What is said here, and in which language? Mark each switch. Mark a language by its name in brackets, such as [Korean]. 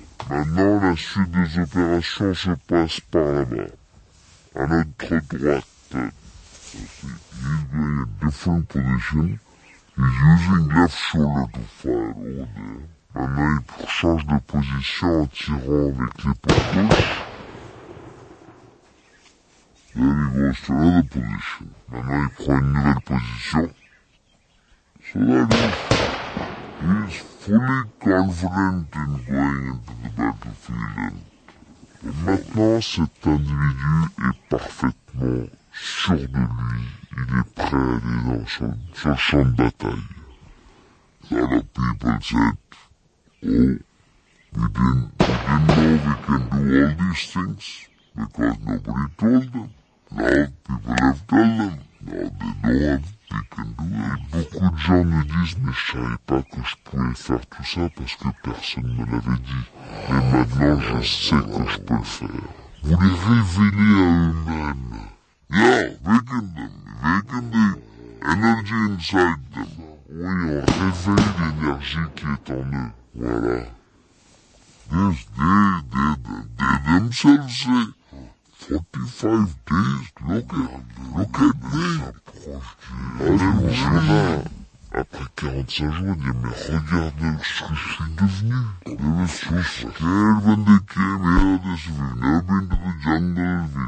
[French] L'opération se passe par là-bas, à notre droite. [English] He's doing a different position. He's using left shoulder to fire over there. [French] Maintenant, il change de position en tirant avec l'épaule gauche. [English] Then he goes to another position. [French] Maintenant, il prend une nouvelle position. [English] So that is, he's fully confident in going into the battlefield. [French] Et maintenant, cet individu est parfaitement sûr de lui. Il est prêt à aller dans son champ de bataille. [English] A lot of people said, oh, we didn't know we can do all these things because nobody told them. Now people have told them. Now they know that they can do it. [French] Et beaucoup de gens me disent, mais je savais pas que je pouvais faire tout ça parce que personne ne me l'avait dit. Et maintenant, je sais que je peux le faire. Vous les révélez à eux-mêmes. [English] Yeah, waken them. Waken the energy inside them. [French] Oui, on réveille l'énergie qui est en eux. Voilà. [English] Yes, they themselves say, 45 days, look at me. [French] S'approche du jour-là. Après 45 jours, il dit, mais regarde ce que je suis devenu. [English] They were so scared when they came here. They said, we've never been to the jungle.